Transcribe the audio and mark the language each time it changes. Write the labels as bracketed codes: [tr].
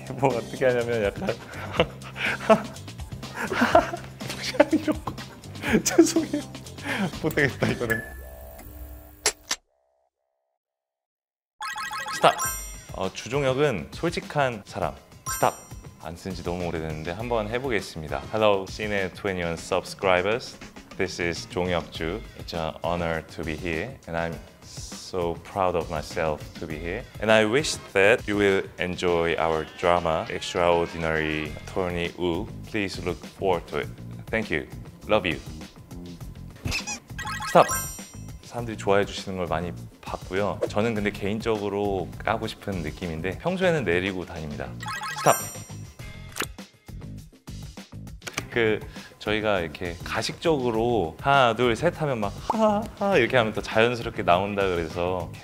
[ko] 뭐 어떻게 하냐면 약간 그냥 이런 거 죄송해요. 못하겠다 이거는. 스탑. 주중혁은 솔직한 사람. 스탑. 안 쓴 지 너무 오래됐는데 한번 해보겠습니다. [en] Hello, Cine 21 subscribers. This is 종혁 주. It's an honor to be here, and I'm so proud of myself to be here. And I wish that you will enjoy our drama, Extraordinary Tony Wu. Please look forward to it. Thank you. Love you. Stop. [ko] 사람들이 좋아해 주시는 걸 많이 봤고요. 저는 근데 개인적으로 까고 싶은 느낌인데 평소에는 내리고 다닙니다. [en] Stop. [ko] 그 저희가 이렇게 가식적으로 하나 둘 셋 하면 막 하하하 이렇게 하면 또 자연스럽게 나온다 그래서